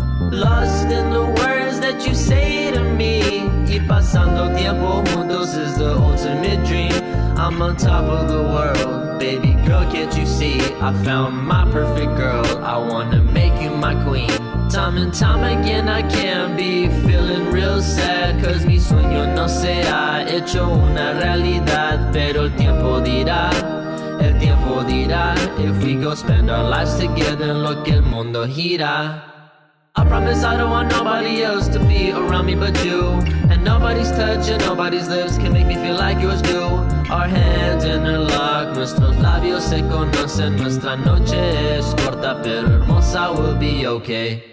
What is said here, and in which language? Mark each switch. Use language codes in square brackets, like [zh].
[en] Lost in the words that you say to me. [es] Y pasando tiempo juntos [en] is the ultimate dream. I'm on top of the world. Baby girl, can't you see? I found my perfect girl. I wanna make you my queen. Time and time again I can be feeling real sad. Cause [es] mi sueño no se ha hecho una realidad. Pero el tiempo dirá, el tiempo dirá. [en] If we go spend our lives together, [es] lo que el mundo gira. [en] I promise I don't want nobody else to be around me but you. And nobody's touch and nobody's lips can make me feel like yours do. Our hands interlock, [es] nuestros labios se conocen. Nuestra noche es corta, pero hermosa, [en] will be okay.